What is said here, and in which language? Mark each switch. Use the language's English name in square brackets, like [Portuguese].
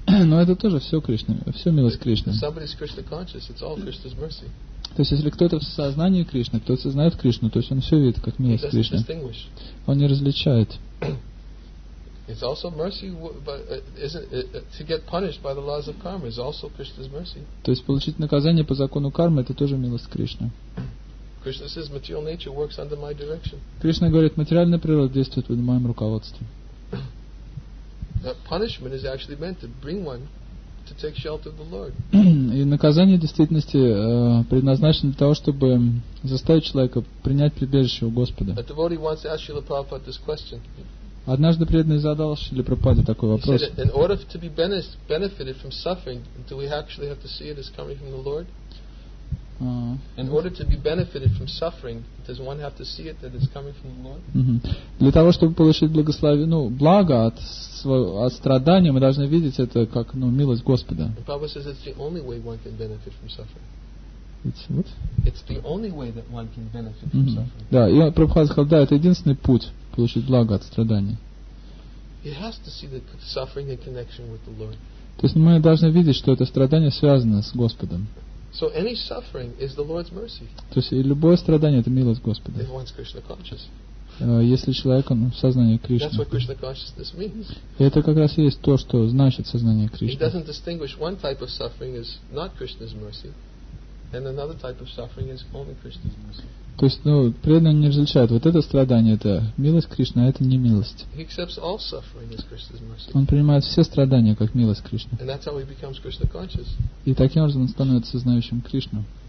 [Russian] Но это тоже все Кришна, все милость Кришны. [English] If somebody's Krishna conscious, it's all Krishna's mercy. [Russian] То есть если кто-то в сознании Кришны, кто-то знает Кришну, то есть он все видит как милость Кришны. Он не различает. [English] It's also mercy, but isn't it, to get punished by the laws of karma is also Krishna's mercy. [Russian] То есть получить наказание по закону кармы это тоже милость Кришны. [English] Krishna says material nature works under my direction. [Russian] Кришна говорит, материальная природа действует под моим руководством. [English] That punishment is actually meant to bring one to take shelter of the Lord. [Russian] И наказание в действительности предназначено для того, чтобы заставить человека принять прибежище у Господа. [English] A devotee once asked Srila Prabhupada this question. [Russian] Однажды преданный задал Шриле Прабхупаде такой вопрос. [English] In order to be benefited from suffering, do we actually have to see it as coming from the Lord? In order to be benefited from suffering, does one have to see it that it's coming from the Lord? [Russian] Для того, чтобы получить благословение, ну, благо от от страдания, мы должны видеть это как, ну, милость Господа. [English] And Prabhupada says it's the only way one can benefit from suffering. It's what? It's the only way that one can benefit from suffering. [Russian] Да, и Прабхупада сказал, да, это единственный путь получить благо от страданий. [English] He has to see the suffering in connection with the Lord. [Russian] То есть мы должны видеть, что это страдание связано с Господом. [English] So any suffering is the Lord's mercy. [Russian] То есть и любое страдание это милость Господа. [English] If one's Krishna conscious. [Russian] Если человек он в сознании Кришны. [English] That's what Krishna consciousness means. [Russian] И это как раз и есть то, что значит сознание Кришны. [English] He doesn't distinguish one type of suffering is not Krishna's mercy, and another type of suffering is only Krishna's mercy. [Russian] То есть, ну, преданный не различает. Вот это страдание, это милость Кришны, а это не милость. [English] He accepts all suffering as Krishna's mercy. [Russian] Он принимает все страдания как милость Кришны. [English] And that's how he becomes Krishna conscious. [Russian] И таким образом он становится сознающим Кришну.